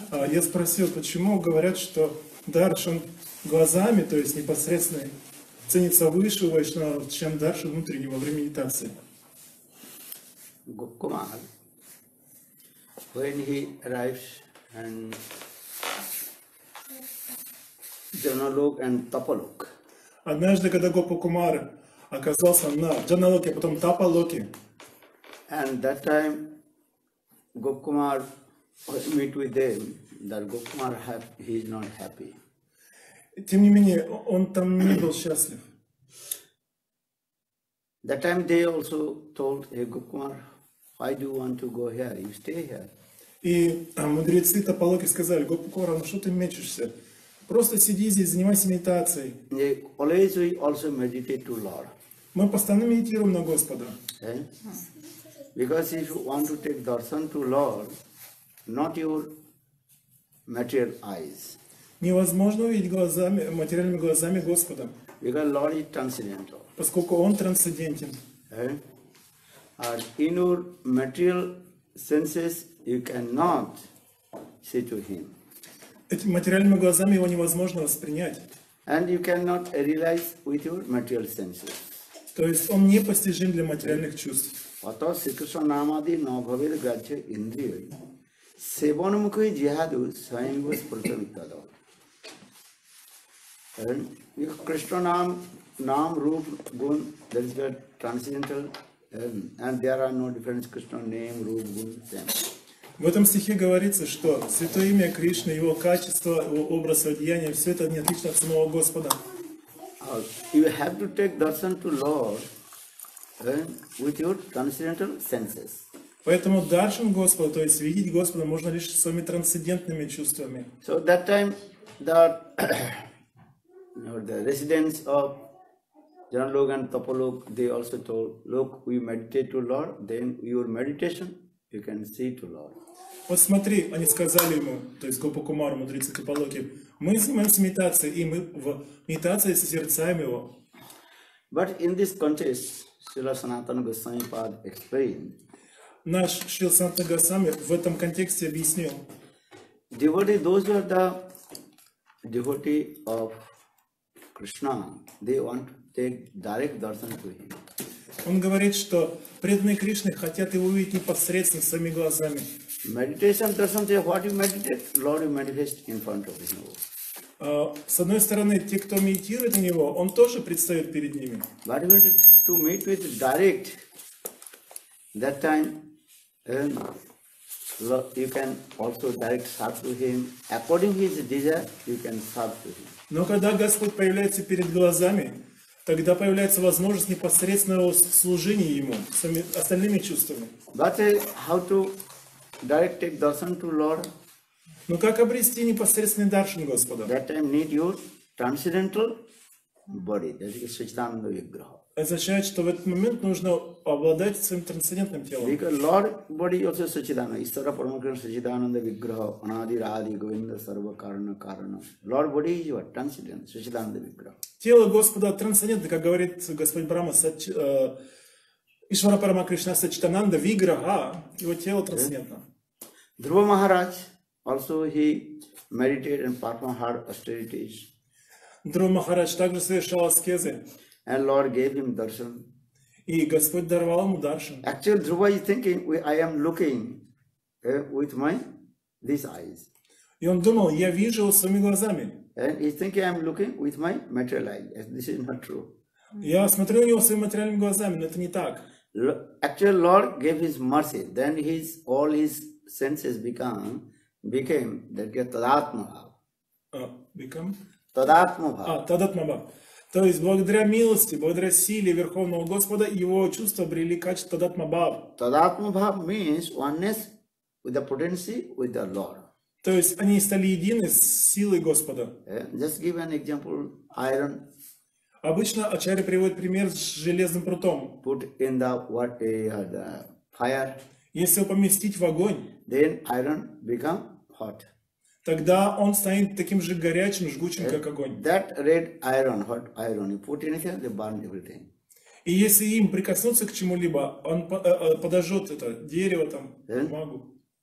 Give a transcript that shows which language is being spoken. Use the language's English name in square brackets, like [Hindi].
[Russian] Я спросил, почему говорят, что Даршан глазами, то есть непосредственно, ценится выше у вайшнавов, чем Даршан внутренний во время медитации. [English] Gopkumar, when he arrives and Janalok and Tapalok. [Russian] Однажды, когда Gopkumar оказался на Джаналоке, потом Тапалоке. [English] And that time Gopkumar was meet with them, that Gopkumar he is not happy. [Russian] Тем не менее, он там не был счастлив. [English] That time they also told Gopkumar, why do you want to go here? You stay here. [Russian] И мудрецы Тапалоки сказали, Гопкумар, ну что ты мечешься? Просто сиди здесь, занимайся медитацией. [English] They always we also meditate to Lord. [Russian] Мы постоянно медитируем на Господа. [English] Because if you want to take darshan to Lord, not your material eyes. [Russian] Невозможно увидеть глазами, материальными глазами Господа. [English] Because Lord is transcendental. [Russian] Поскольку Он трансцендентен. [English] And in your material senses you cannot see to him. [Russian] Этими материальными глазами его невозможно воспринять. [English] And you cannot realize with your material senses. [Russian] То есть он непостижим для материальных чувств. [Sanskrit] Ato sikrsa namadi nabhavir gajya indriyai. Sevanamukhi jihadu svayangus prasavitadav. [English] And if Krishna nam, nam rup gun, that is the transcendental. And there are no difference Krishna name, rupa, guna, them. [Russian] В этом стихе говорится, что святое имя Кришны, его качество, его образ, его деяние, все это не отлично от самого Господа. [English] You have to take darshan to Lord with your transcendental senses. [Russian] Поэтому даршан Господа, то есть видеть Господа, можно лишь своими трансцендентными чувствами. [English] So that time the residents of Janalok and Tapalok, they also told, look, we meditate to Lord, then your meditation, you can see to Lord. [Russian] Вот смотри, они сказали ему, то есть Гопкумару, мудрецы Тапалоки, мы занимаемся медитацией, и мы в медитации созерцаем его. [English] But in this context, Śrīla Sanātana Gosvāmī Pāda explained. [Russian] Наш Śrīla Sanātana Gosvāmī в этом контексте объяснил. [English] Devotee, those are the devotee of Krishna, they want to take direct darshan to him. [Russian] Он говорит, что преданные Кришны хотят его увидеть непосредственно своими глазами. [English] Meditation darshan, say what you meditate, Lord you manifest in front of him. [Russian] С одной стороны, те, кто медитирует на него, он тоже предстает перед ними. [English] But when to meet with direct, that time you can also direct serve to him according his desire, you can serve to him. [Russian] Но когда Господь появляется перед глазами, тогда появляется возможность непосредственного служения ему с остальными чувствами. [English] But how to direct take darshan to Lord? [Russian] Но как обрести непосредственный даршан Господа? [English] That time need your transcendental body. That is Svachidananda Vigraha. [Russian] Означает, что в этот момент нужно обладать своим трансцендентным телом. [English] Because Lord body also Svachidananda. [Sanskrit] Ishvara Paramakrishna Svachidananda Vigraha. Anadi Radhi Govinda Sarva Karana Karana. [English] Lord body is what? Transcendent. [Sanskrit] Svachidananda Vigraha. [Russian] Тело Господа трансцендентно, как говорит Господь Брама, [Sanskrit] Ishvara Paramakrishna Svachidananda Vigraha. [Russian] Его тело трансцендентно. [English] Dhruva Maharaj. Also he meditated and performed hard austerities. [Russian] Dhruva Maharaj также совершал аскезы. [English] And Lord gave him darshan. [Russian] И Господь даровал ему даршан. [English] Actually, Dhruva is thinking, I am looking with my these eyes. [Russian] И он думал, я вижу его своими глазами. [English] And he's thinking, I am looking with my material eyes. This is not true. [Russian] Я смотрю на него своими материальными глазами, но это не так. [English] Actually, Lord gave his mercy. Then his all his senses become. Became that get tadatma bhav. Become? Tadatma bhav. Tadatma bhav. [Russian] То есть благодаря милости, благодаря силе Верховного Господа, его чувства обрели качество тадатма бхав. [English] Tadatma bhav means oneness with the potency with the Lord. [Russian] То есть они стали едины с силой Господа. [English] Just give an example, iron. [Russian] Обычно ачарьи приводят пример с железным прутом. [English] Put in the water, the fire. [Russian] Если его поместить в огонь, [English] then iron become hot. [Russian] Тогда он станет таким же горячим, жгучим, как огонь. [English] That red iron, hot iron, you put anything, they burn everything. [Russian] И если им прикоснуться к чему-либо, он подожжет это дерево, там, [English] then, [Russian] бумагу.